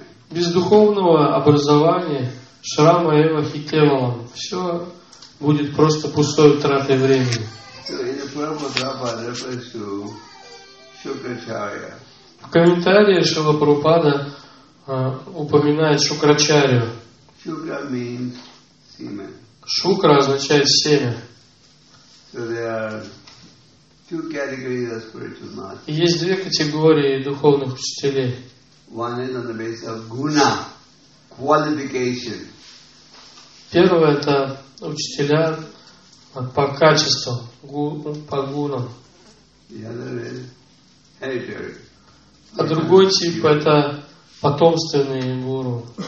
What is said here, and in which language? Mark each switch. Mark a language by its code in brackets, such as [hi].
[ru] Без духовного образования [sa] шрама эва хи кевалам [ru] все будет просто пустой тратой времени. В комментарии Шрила Прабхупада упоминает Шукрачарию. [en] Shukra means semen. [ru] Шукра означает семя. [en] So there are two categories of spiritual masters. [ru] Есть две категории духовных учителей. [en] One is on the basis of guna, qualification. [ru] Первое это учителя по качеству, по гунам. А другой тип – это потомственные гуру.